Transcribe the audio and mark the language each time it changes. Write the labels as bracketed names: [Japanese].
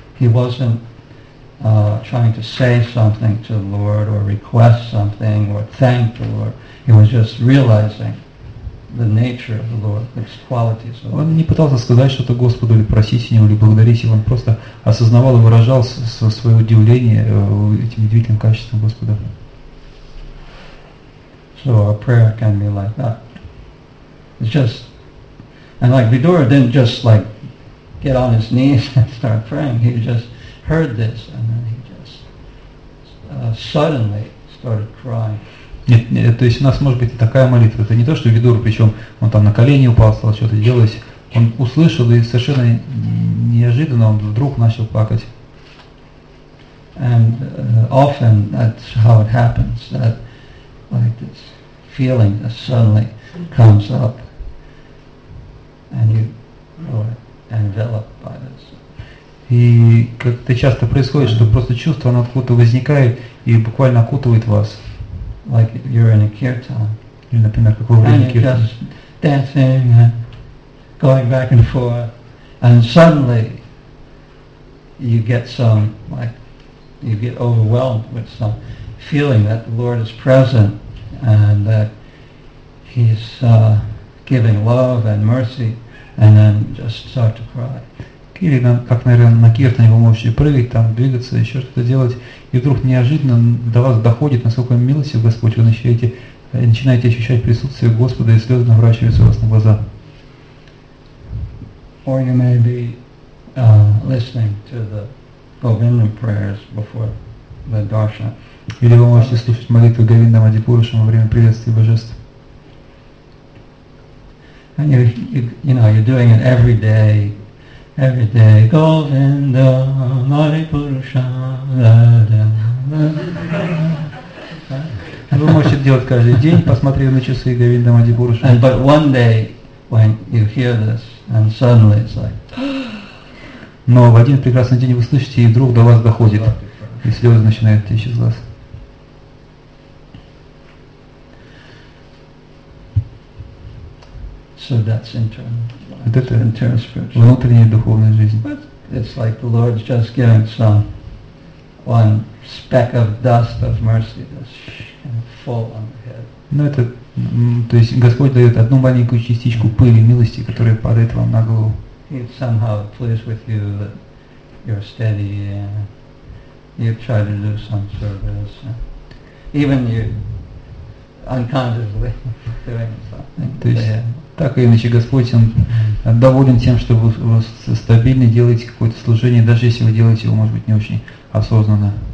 [English] He wasn't trying to say something to the Lord or request something or thank the Lord. He was just realizing the nature of the Lord, his qualities. [Russian] Он не пытался сказать что-то Господу или просить у него или благодарить его. Он просто осознавал и выражал свое удивление этим удивительным качеством Господа. [English] So our prayer can be like that. It's just, and like Vidura didn't just like get on his knees and start praying. He just heard this and then he just suddenly started crying. [Russian] Нет, нет, то есть у нас может быть и такая молитва. Это не то, что Видура, причем он там на колени упал, стал что-то делать. Он услышал и совершенно неожиданно он вдруг начал плакать. [English] And often that's how it happens, that like this feeling just suddenly comes up and you are enveloped by this. [Russian] И как-то часто происходит, что просто чувство, оно откуда-то возникает и буквально окутывает вас. [English] Like you're in a kirtan. [Russian] Или, например, как во время kirtan. [English] And you're just dancing and going back and forth. And suddenly you get some, like, you get overwhelmed with some feeling that the Lord is present and that He's giving love and mercy, and then just start to cry. [Russian] Или как, наверное, на киртане вы можете прыгать, там, двигаться, еще что-то делать, и вдруг неожиданно до вас доходит, насколько милостив Господь, вы начинаете ощущать присутствие Господа, и слезы наворачиваются у вас на глаза. [English] Or you may be listening to the Govindam prayers before the darshan. [Russian] Или вы можете слушать молитву Говинда Мадипурушам во время приветствия Божества. [English] And you're doing it every day. Every day, Govinda, Madhipurusha, da da da. [Russian] Вы можете делать каждый день, посмотрев на часы, Говинда Мадхипуруша. [English] And but one day, when you hear this, and suddenly it's like. [Russian] Но в один прекрасный день вы слышите, и вдруг до вас доходит, и слезы начинают течь из вас. [English] So that's internal. [Russian] Внутренняя духовная жизнь. [English] But it's like the Lord's just giving some one speck of dust of mercy that's going to fall on the head. [Russian] Ну это, то есть Господь дает одну маленькую частичку пыли милости, которая падает вам на голову. [English] He's somehow pleased with you that you're steady and you try to do some service, even you unconsciously doing something. [Russian] То есть так или иначе, Господь, Он доволен тем, что вы стабильно делаете какое-то служение, даже если вы делаете его, может быть, не очень осознанно.